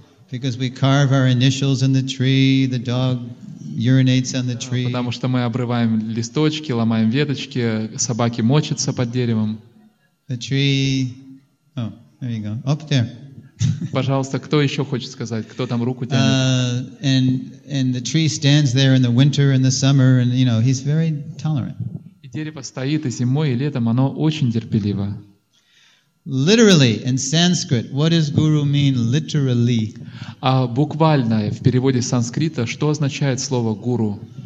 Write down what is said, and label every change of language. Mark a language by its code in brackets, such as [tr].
[en] Because we carve our initials in the tree, the dog urinates on the tree. [ru] Потому что мы обрываем листочки, ломаем веточки, собаки мочатся под деревом. [en] The tree. Oh, there you go. Up there. [ru] Пожалуйста, кто еще хочет сказать, кто там руку тянет? [en] And the tree stands there in the winter and the summer, and you know he's very tolerant. [ru] И дерево стоит и зимой и летом, оно очень терпеливо. [en] Literally in Sanskrit, what does guru mean literally? [ru] А буквально в переводе с санскрита что означает слово гуру?